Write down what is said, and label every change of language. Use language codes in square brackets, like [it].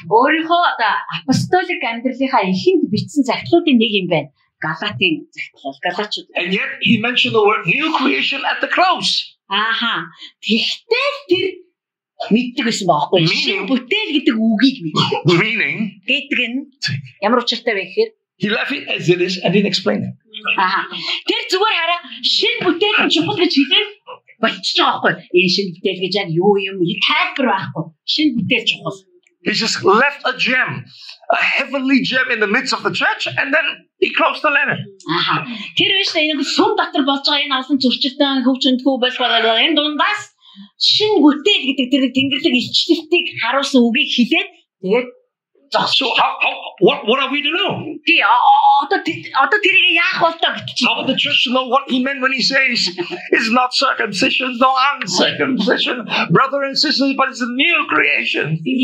[mn] Өөрийнхөө апостолик амьдралынхаа эхэнд бичсэн захидлуудын нэг юм байна. Галатийн захидлууд, галачууд. [en] And yet he mentioned the word new creation at the close. Аха. [mn] Тэгтэл тэр мэддэг байсан баахгүй. Шинэ бүтээл гэдэг үгийг мэддэг. [en] Meaning? [mn] Гэдэг нь ямар учиртай вэ гэхээр? [en] He left it as it is and didn't explain it. Аа. [mn] Тэр зүгээр хараа шинэ бүтээл чухал гэж хэлээд болчихсон аахгүй. Энэ шинэ бүтээл гэж яг юу юм? Энэ тайлбар байхгүй. Шинэ бүтээл чухал. [en] He just left a gem, a heavenly gem in the midst of the church and then he closed the letter. Аа. [mn] Тэр биш нэг сүм дотор болж байгаа энэ алсан зөрчилтэй хөвчөндгөө болж байгаа энэ дундаас шинэ бүтээл гэдэг тэр тэнгэрлэг илчлэлтийг харуулсан үгийг хэлээд тэгээд [en] So what are we to know? How are the church to know what he meant when he says it's not circumcision, nor uncircumcision, brother and sister, but it's a new creation?